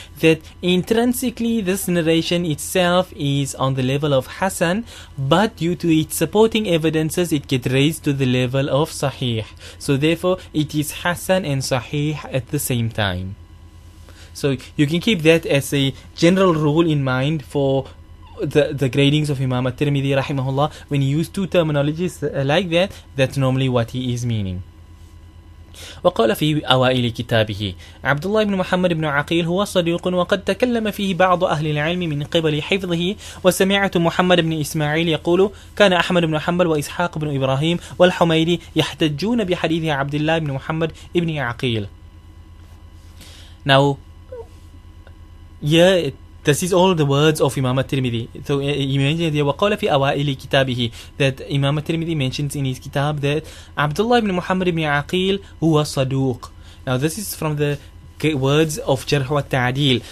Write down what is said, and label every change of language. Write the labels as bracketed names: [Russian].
[English] that intrinsically this narration itself is on the level of hasan, but due to its supporting evidences it gets raised to the level of sahih, so therefore it is hasan and sahih at the same time. So you can keep that as a general rule in mind for the gradings of Imam al-Tirmidhi rahimahullah. When he used two terminologies like that, that's normally what he is meaning. [Arabic] وقال في أوائل كتابه عبد الله بن محمد بن عقيل هو صديق وقد تكلم فيه بعض أهل العلم من قبل حفظه وسمعت محمد بن إسماعيل يقول كان أحمد بن حنبل وإسحاق بن إبراهيم والحميدي يحتجون بحديث عبد الله بن محمد بن عقيل. [English] Now, yeah, this is all the words of Imam al-Tirmidhi. So he mentioned here, [Arabic] وَقَالَ فِي أَوَائِلِ كِتَابِهِ, [English] that Imam al-Tirmidhi mentions in his kitab that Abdullah ibn Muhammad ibn Aqil [Arabic] huwa saduq. [English] Now this is from the words of Jarh wa Ta'dil.